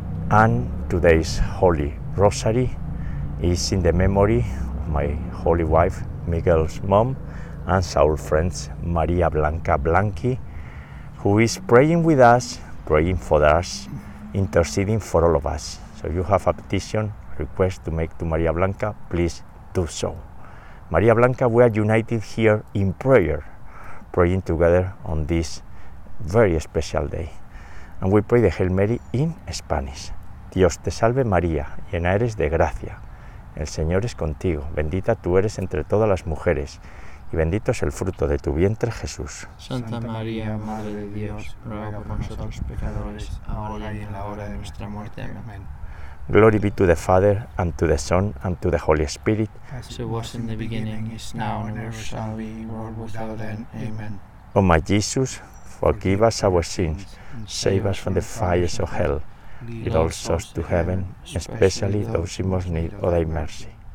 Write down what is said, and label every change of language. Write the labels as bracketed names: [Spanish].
[English] And today's Holy Rosary is in the memory of my holy wife, Miguel's mom, and our friends, María Blanca Blanqui, who is praying for us, interceding for all of us. So if you have a petition, request to make to María Blanca, please do so. María Blanca, we are united here in prayer, praying together on this very special day. And we pray the Hail Mary in Spanish. [Spanish] Dios te salve María, llena eres de gracia. El Señor es contigo, bendita tú eres entre todas las mujeres. Y bendito es el fruto de tu vientre, Jesús. Santa María, Madre de Dios, ruega por nosotros pecadores, ahora y en la hora de nuestra muerte. Amén. [English] Glory be to the Father, and to the Son, and to the Holy Spirit. As it was in the beginning, is now, and ever shall be, world without end. Amen. O my Jesus, forgive us our sins, save us from the fires of hell, lead all souls to heaven, especially those in most need of thy mercy.